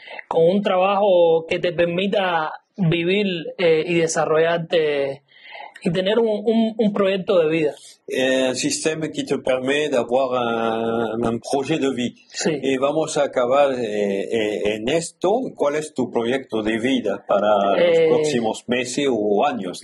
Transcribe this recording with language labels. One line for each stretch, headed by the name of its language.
Spanish: un trabajo que te permita vivir y desarrollarte y tener un proyecto de vida.
French: Et un système qui te permet d'avoir un projet de vie.
Spanish: Sí. Et vamos a acabar en esto. ¿Cuál es tu proyecto de vida para los próximos meses o años?